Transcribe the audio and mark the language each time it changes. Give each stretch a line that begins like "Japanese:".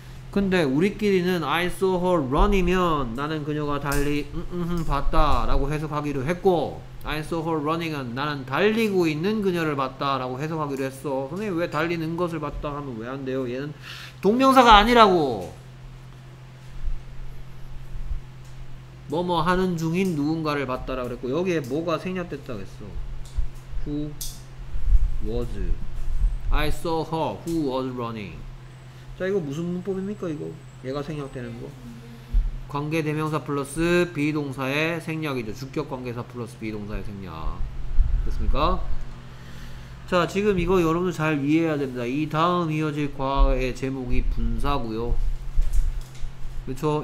Korean: 근데 우리끼리는
English: I saw her run
Korean: 이면 나는 그녀가 달리 봤다 라고 해석하기로 했고
English: I saw her running
Korean: 은 나는 달리고 있는 그녀를 봤다 라고 해석하기로 했어. 선생님 왜 달리는 것을 봤다 하면 왜 안 돼요? 얘는 동명사가 아니라고. 뭐뭐 하는 중인 누군가를 봤다 라고 그랬고 여기에 뭐가 생략됐다 그랬어.
English: Who was I saw her who was running.
Korean: 자 이거 무슨 문법입니까? 이거 얘가 생략되는 거 관계 대명사 플러스 비동사의 생략이죠. 주격 관계사 플러스 비동사의 생략 됐습니까? 자 지금 이거 여러분들 잘 이해해야 됩니다. 이 다음 이어질 과의 제목이 분사고요. 그렇죠?